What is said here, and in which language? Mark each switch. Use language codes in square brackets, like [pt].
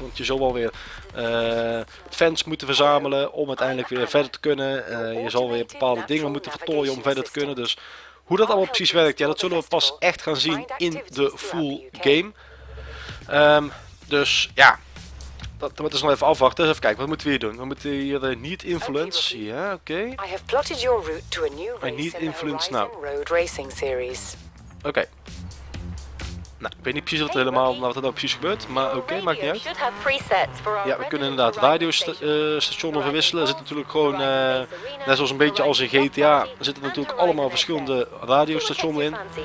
[nl] Want je zal wel weer fans moeten verzamelen om uiteindelijk weer verder te kunnen. Je zal weer bepaalde dingen moeten vertooien om verder te kunnen. Dus hoe dat allemaal precies werkt, ja, dat zullen we pas echt gaan zien in de full game. Dus ja, dat moeten we nog even afwachten. Even kijken, wat moeten we hier doen? We moeten hier de Need Influence. Ja, oké. [en] I have plotted your route to a new race in the Horizon Road Racing Series. [nl] Oké. Nou, ik weet niet precies wat er helemaal, wat er nou precies gebeurt, maar oké, maakt niet uit. Ja, we kunnen inderdaad radiostationen verwisselen. Er zit natuurlijk gewoon, net zoals een beetje als in GTA, er zitten natuurlijk allemaal verschillende radiostationen in.